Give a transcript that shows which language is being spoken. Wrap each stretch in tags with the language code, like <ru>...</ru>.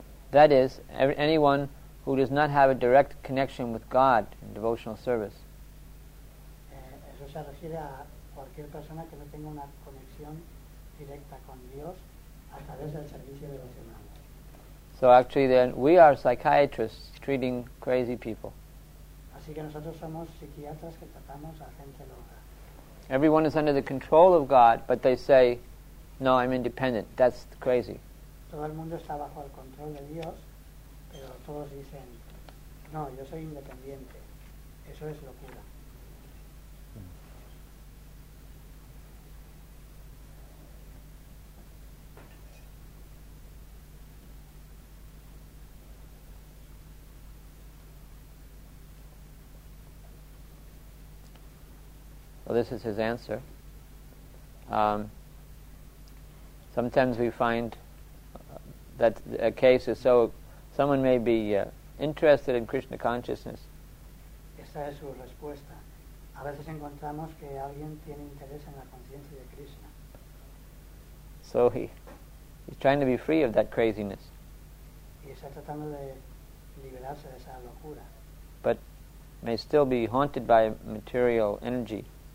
<en>That is, anyone who does not have a direct connection with God in devotional service.</en> <es>Eso se refiere a cualquier persona que no tenga una conexión directa con Dios a través del servicio devocional.</es> <en>So actually then we are psychiatrists treating crazy people.</en> <es>Así que nosotros somos psiquiatras que tratamos a gente loca.</es> <en>Everyone is under the control of God, but they say, no, I'm independent. That's crazy.</en> <es>Todo el mundo está bajo el control de Dios, pero todos dicen, no, yo soy independiente. Eso es locura.</es> <en>Well, this is his answer. Sometimes we find that a case is so, someone may be interested in Krishna consciousness.</en> <es>Esa es su respuesta. A veces encontramos que alguien tiene interés en la conciencia de Krishna.</es> <en>So he's trying to be free of that craziness.</en> <es>Y está tratando de liberarse de esa locura.</es> <en>But may still be haunted by material energy.</en>